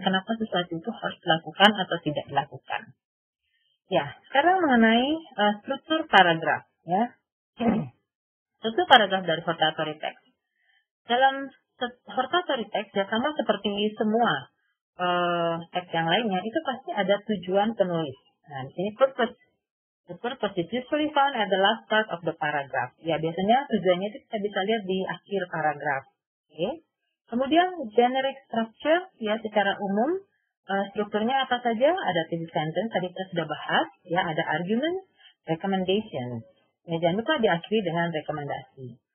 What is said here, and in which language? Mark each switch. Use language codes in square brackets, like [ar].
[id] Kenapa sesuatu itu harus dilakukan atau tidak dilakukan? Ya, sekarang mengenai struktur paragraf. Ya, struktur paragraf dari rotatory text. Dalam rotatory text, ya sama seperti semua teks yang lainnya, itu pasti ada tujuan penulis. Nah, ini purpose. [en] The purpose is usually found at the last part of the paragraph. [id] Ya, biasanya tujuannya itu kita bisa lihat di akhir paragraf. Okay. Kemudian, generic structure, ya, secara umum, strukturnya apa saja? Ada three sentence, tadi kita sudah bahas. Ya, ada argument, recommendation. Ya, jangan lupa diakhiri dengan rekomendasi.